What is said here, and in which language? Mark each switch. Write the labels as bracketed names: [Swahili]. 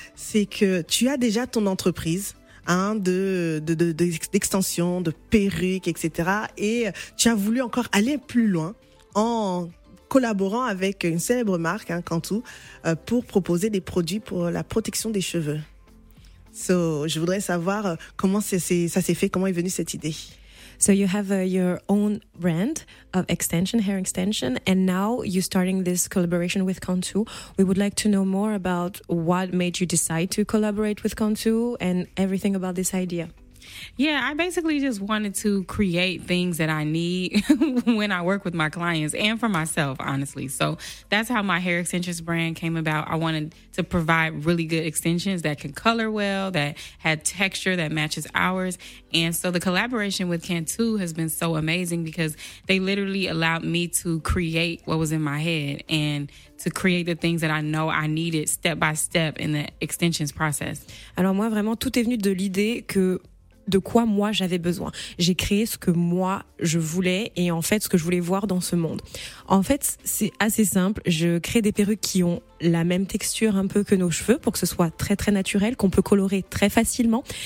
[French] C'est que tu as déjà ton entreprise, hein, d'extension, de perruques, etc. Et tu as voulu encore aller plus loin en collaborant avec une célèbre marque, hein, Cantu, pour proposer des produits pour la protection des cheveux. So, je voudrais savoir comment ça s'est fait, comment est venue cette idée. [English] So you have your own brand of extension, hair extension, and now you're starting this collaboration with Cantu. We would like to know more about what made you decide to collaborate with Cantu and everything about this idea. Yeah, I basically just wanted to create things that I need when I work with my clients and for myself, honestly. So that's how my hair extensions brand came about. I wanted to provide really good extensions that can color well, that had texture that matches ours. And so the collaboration with Cantu has been so amazing because they literally allowed me to create what was in my head and to create the things that I know I needed step by step in the extensions process. [French] Alors moi, vraiment, tout est venu de l'idée que de quoi moi j'avais besoin. J'ai créé ce que moi je voulais et en fait ce que je voulais voir dans ce monde. En fait, c'est assez simple. Je crée des perruques qui ont la même texture un peu que nos cheveux pour que ce soit très très naturel, qu'on peut colorer très facilement.